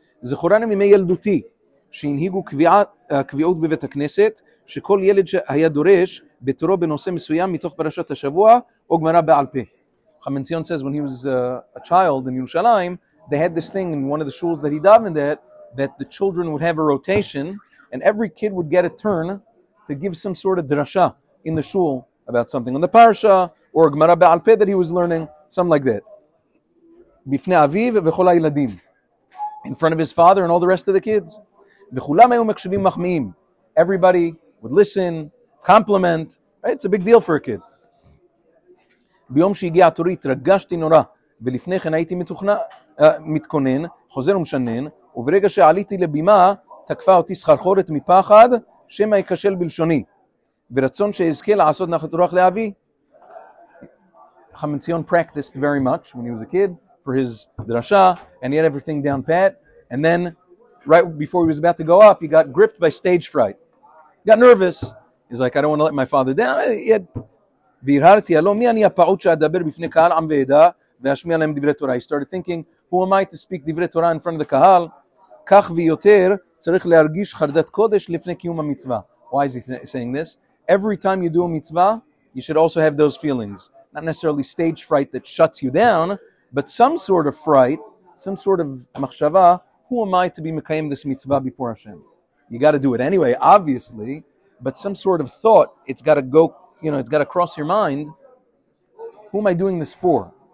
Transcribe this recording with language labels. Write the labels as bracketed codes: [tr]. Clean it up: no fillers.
[he] זכורני מימי ילדותי שהנהיגו קביעות בבית הכנסת, שכל ילד שהיה דורש בתורו בנושא מסוים מתוך פרשת השבוע או גמרא בעל פה. [en] חמן ציון says when he was a child in Yerushalayim, they had this thing in one of the shuls that he davened at, that the children would have a rotation and every kid would get a turn to give some sort of drasha in the shul about something on the parasha or גמרא בעל פה that he was learning, something like that. [he] בפני אביו וכל הילדים. [en] In front of his father and all the rest of the kids. [he] וכולם היו מקשיבים מחמיאים. [en] Everybody would listen, compliment. Right? It's a big deal for a kid. [he] ביום שהגיע התורי התרגשתי נורא, ולפני כן הייתי מתכונן, חוזר ומשנן, וברגע שעליתי לבימה, תקפה אותי סחרחורת מפחד, שמא ייכשל בלשוני. ורצון שאזכה לעשות נחת רוח לאבי. [en] חמן ציון practiced very much when he was a kid, for his drasha, and he had everything down pat, and then right before he was about to go up, he got gripped by stage fright. He got nervous. He's like, I don't want to let my father down. [he] והרהרתי, הלא מי אני הפעוט שאדבר בפני קהל עם ועדה, ואשמיע להם דברי תורה. [en] He started thinking, who am I to speak דברי תורה in front of the קהל? [he] כך ויותר צריך להרגיש חרדת קודש לפני קיום המצווה. [en] Why is he saying this? Every time you do a mitzvah, you should also have those feelings. Not necessarily stage fright that shuts you down, but some sort of fright, some sort of מחשבה, who am I to be mekayim this mitzvah before Hashem? You got to do it anyway, obviously, but some sort of thought, it's got to go, you know, it's got to cross your mind, who am I doing this for?